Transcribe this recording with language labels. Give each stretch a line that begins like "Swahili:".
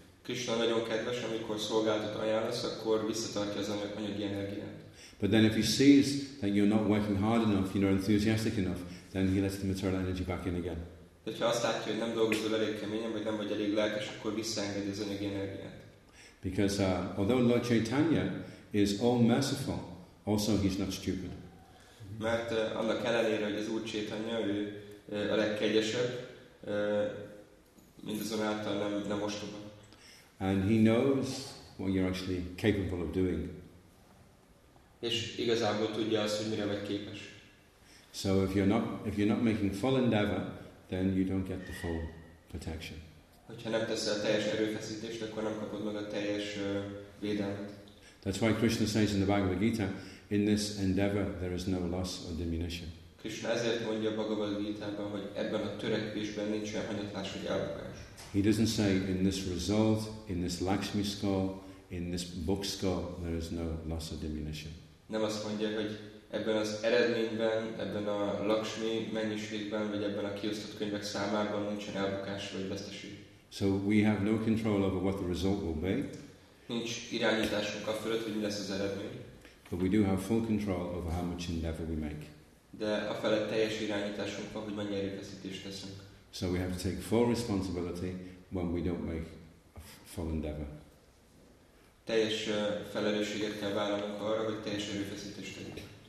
Hungarian: Krishna nagyon kedves, amikor szolgálatot ajánlasz, akkor visszatartja az anyagi energiát.
English: But then if he sees that you're not working hard enough, you're not enthusiastic enough, then he lets the material energy back in again.
Hungarian: De ha azt látja, hogy nem dolgozol elég keményen, vagy nem vagy elég lelkes, akkor visszaengedi az anyagi energiát.
English: Because although Lord Chaitanya is all merciful, also he's not stupid.
Hungarian: Mert annak ellenére, hogy az Úr Chaitanya, ő a legkegyesebb, mindazonáltal nem ostoba.
English: And he knows what you're actually capable of doing.
Hungarian: És igazából tudja azt, hogy mire vagy képes.
English: So if you're not making full endeavor, then you don't get the full protection.
Hungarian: Hogyha nem teszel teljes erőfeszítést, akkor nem kapod meg a teljes védelmet.
English: That's why Krishna says in the Bhagavad Gita, in this endeavor there is no loss or diminution.
Hungarian: Krishna ezért mondja a Bhagavad Gita-ban, hogy ebben a törekvésben nincs olyan hanyatlás vagy elbukás.
English: He doesn't say in this result, in this Lakshmi skull, in this book skull, there is no loss or diminution.
Hungarian: Nem azt mondja, hogy ebben az eredményben, ebben a Lakshmi mennyiségben, vagy ebben a kiosztott könyvek számában nincsen elbukás vagy veszteség.
English: So we have no control over what the result will be.
Hungarian: Nincs irányításunk a fölött, hogy mi lesz az eredmény.
English: But we do have full control over how much endeavor we make.
Hungarian: De a felett teljes irányításunk van, hogy mennyi erőfeszítést teszünk.
English: So we have to take full responsibility when we don't make a full endeavor.
Hungarian: Teljes felelősséget kell vállalnunk arra, hogy teljes erőfeszítést tegyünk.